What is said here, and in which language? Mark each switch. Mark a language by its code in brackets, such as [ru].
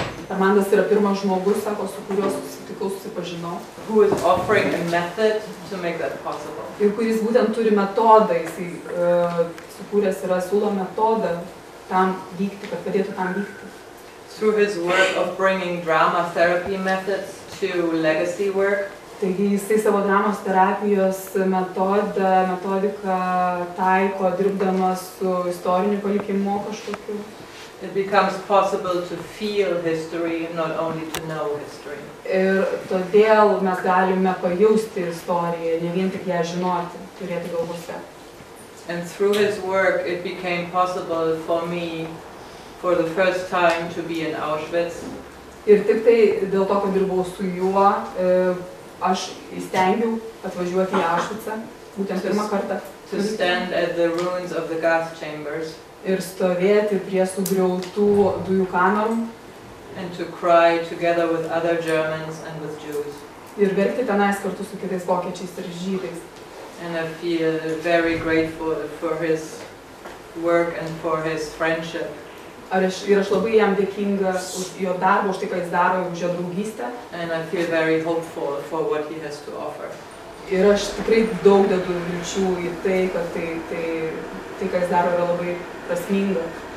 [lt] Amandas yra pirmas žmogus, sako, su kuriuo susitikau, susipažinau. [en] Who is offering a method to make that possible. [lt] Ir kuris būtent turi metodą, jisai sukūręs yra siūlo metodą tam vykti, kad padėtų tam vykti. [en] Through his work of bringing drama therapy methods to legacy work. [lt] Taigi jisai savo dramos terapijos metodiką taiko, dirbdamas su istoriniu palikimu kažkokiu. [en] It becomes possible to feel history, not only to know history. [lt] Ir todėl mes galime pajausti istoriją, ne vien tik ją žinoti, turėti galvose. [en] And through his work it became possible for me for the first time to be in Auschwitz. [lt] Ir tik tai dėl to, kad dirbau su juo, aš įstengiau atvažiuoti į Auschwitzą, būtent pirmą kartą. [en] To stand at the ruins of the gas chambers. [lt] Ir stovėti prie sugriautų dujų kamerų. [en] And to cry together with other Germans and with Jews. [lt] Ir verkti tenais kartu su kitais vokiečiais ir žydais. [en] And I feel very grateful for his work and for his friendship. [lt] Ir aš labai jam dėkinga už jo darbą, už tai, ką jis daro, už jo draugystę. [en] And I feel very hopeful for what he has to offer. [lt] Ir aš tikrai daug dedu vilčių į tai, kad tai ką jis daro, yra labai prasminga.